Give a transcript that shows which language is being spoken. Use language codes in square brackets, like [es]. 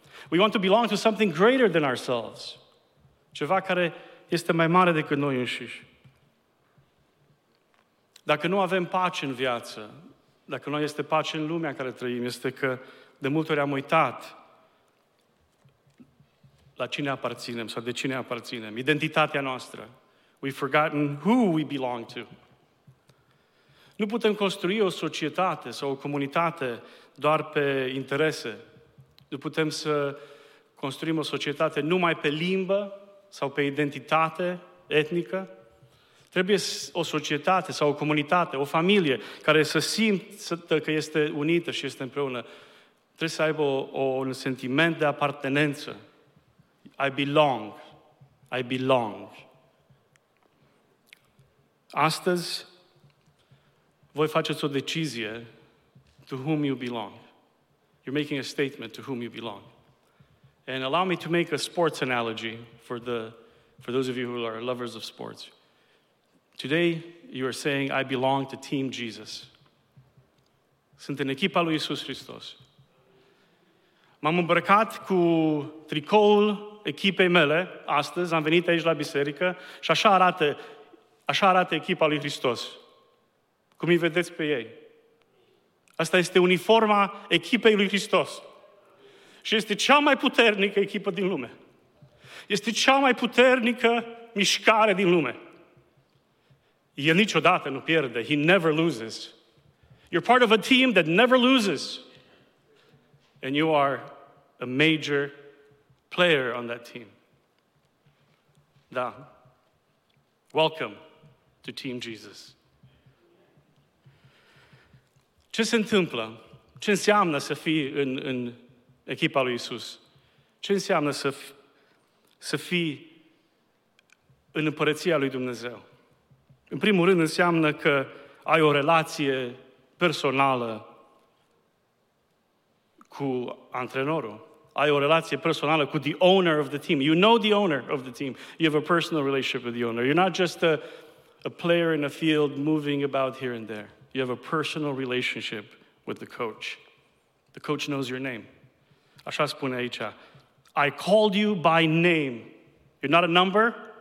[en] We want to belong to something greater than ourselves. [ro] Ceva care este mai mare decât noi înșiși. Dacă nu avem pace în viață, dacă nu este pace în lumea în care trăim, este că de multe ori am uitat la cine aparținem sau de cine aparținem, identitatea noastră. [en] We've forgotten who we belong to. [ro] Nu putem construi o societate sau o comunitate doar pe interese. Nu putem să construim o societate numai pe limbă sau pe identitate etnică. Trebuie o societate sau o comunitate, o familie, care să simtă că este unită și este împreună. Trebuie să aibă un sentiment de apartenență. [en] I belong. I belong. [ro] Astăzi, voi faceți o decizie [en] to whom you belong. You're making a statement to whom you belong. And allow me to make a sports analogy for those of you who are lovers of sports. Today, you are saying, I belong to Team Jesus. [ro] Sunt în echipa lui Iisus Hristos. M-am îmbrăcat cu tricoul echipei mele astăzi, am venit aici la biserică și așa arată echipa lui Hristos. Cum îi vedeți pe ei? Asta este uniforma echipei lui Hristos. Și este cea mai puternică echipă din lume. Este cea mai puternică mișcare din lume. El niciodată nu pierde. [en] He never loses. You're part of a team that never loses. And you are a major player on that team. Da. Welcome to Team Jesus. [ro] Ce se întâmplă? Ce înseamnă să fii în echipa lui Iisus? Ce înseamnă să fii în împărăția lui Dumnezeu? În primul rând înseamnă că ai o relație personală cu antrenorul. Ai o relație personală cu [en] the owner of the team. You know the owner of the team. You have a personal relationship with the owner. You're not just a player in a field moving about here and there. You have a personal relationship with the coach. The coach knows your name. [ro] Așa spune aici. [en] I called you by name. You're not a number.